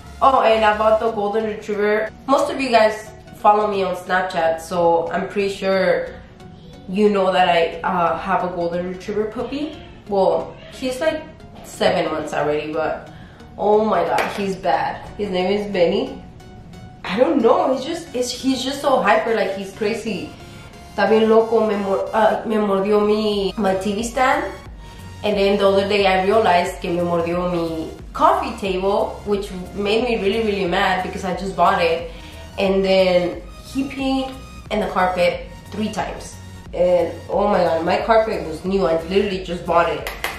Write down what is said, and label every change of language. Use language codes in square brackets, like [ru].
[en] Oh, and about the golden retriever, most of you guys follow me on Snapchat, so I'm pretty sure you know that I have a golden retriever puppy. Well, he's like 7 months already, but oh my god, he's bad. His name is Benny. I don't know, he's just so hyper, like he's crazy. [es] Está bien loco, me mordió [en] my TV stand. And then the other day I realized [es] que me mordió mi [en] coffee table, which made me really, really mad because I just bought it. And then he peed in the carpet 3 times. And oh my god, my carpet was new. I literally just bought it.